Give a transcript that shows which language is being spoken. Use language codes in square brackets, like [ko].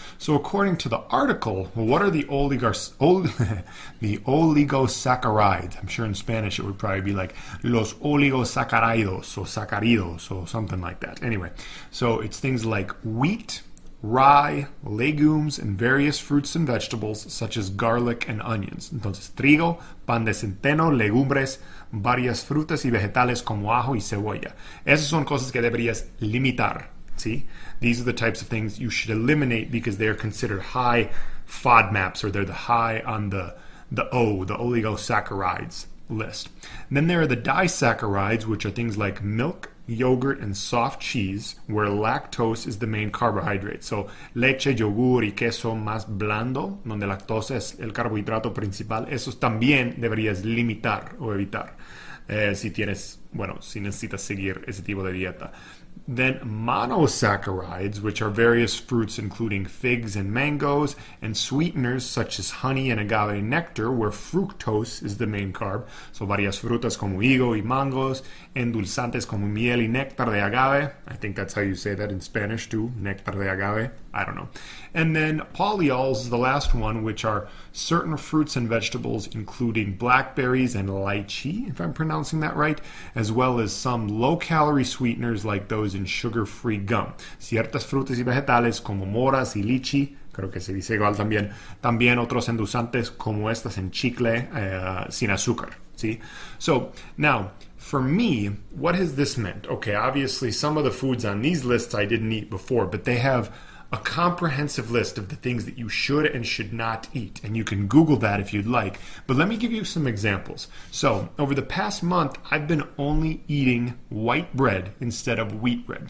[en] So according to the article, what are the oligosaccharides? I'm sure in Spanish it would probably be like [es] los oligosaccharidos o sacaridos [en] or something like that. Anyway, so it's things like wheat, rye, legumes, and various fruits and vegetables such as garlic and onions. [es] Entonces, trigo, pan de centeno, legumbres, varias frutas y vegetales como ajo y cebolla. Esas son cosas que deberías limitar. [en] See, these are the types of things you should eliminate because they are considered high FODMAPs, or they're the high on the oligosaccharides list. And then there are the disaccharides, which are things like milk, yogurt, and soft cheese, where lactose is the main carbohydrate. [es] So leche, yogur y queso más blando, donde lactose es el carbohidrato principal, esos también deberías limitar o evitar si necesitas seguir ese tipo de dieta. [en] Then monosaccharides, which are various fruits including figs and mangoes, and sweeteners such as honey and agave nectar, where fructose is the main carb. [es] So varias frutas como higo y mangos, endulzantes como miel y néctar de agave. [en] I think that's how you say that in Spanish too, [es] néctar de agave. [en] I don't know. And then polyols is the last one, which are certain fruits and vegetables, including blackberries and lychee, if I'm pronouncing that right, as well as some low-calorie sweeteners like those in sugar-free gum. [es] Ciertas frutas y vegetales como moras y lychee, creo que se dice igual también. También otros endulzantes como estas en chicle sin azúcar. [en] See? So now, for me, what has this meant? Okay, obviously some of the foods on these lists I didn't eat before, but they have a comprehensive list of the things that you should and should not eat. And you can Google that if you'd like. But let me give you some examples. So over the past month, I've been only eating white bread instead of wheat bread.